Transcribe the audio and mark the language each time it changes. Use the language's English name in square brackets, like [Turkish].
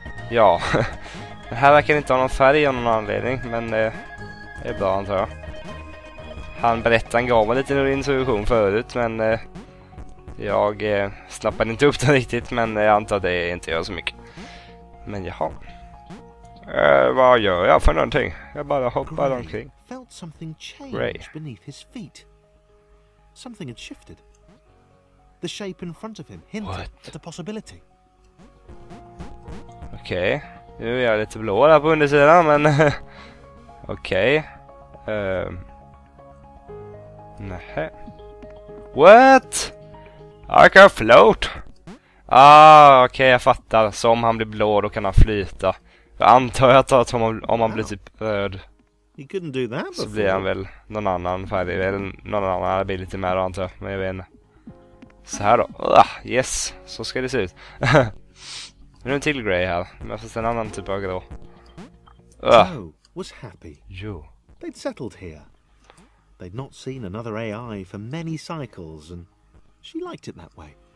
[Swedish] Ja, det här verkar inte ha någon färg av någon anledning, men det är bra antar jag. Han berättade, han gav mig lite en introduktion förut, men jag snappade inte upp den riktigt, men jag antar att det inte gör så mycket. Men jaha. Vad gör jag för någonting? Jag bara hoppar omkring. [English] Felt something change beneath his feet. Something had shifted. The shape in front of him hinted at a possibility. [Swedish] Okej. Nu är jag lite blå där på undersidan, men okej. Nähä. [English] What? I can float. [Swedish] Okej, jag fattar. Så om han blir blå då kan han flyta. Jag antar jag att om han blir typ röd. [English] He couldn't do that before. [Swedish] Så blir han väl någon annan färdig. Eller någon annan här blir lite mer då antar jag. Men jag vet inte. Så här då. Yes. Så ska det se ut. Nu är en till grey här. Men jag får se en annan typ av grå. [English] Was happy. [Swedish] Jo. [English] They'd settled here. They'd not seen another AI for many cycles and she liked it that way.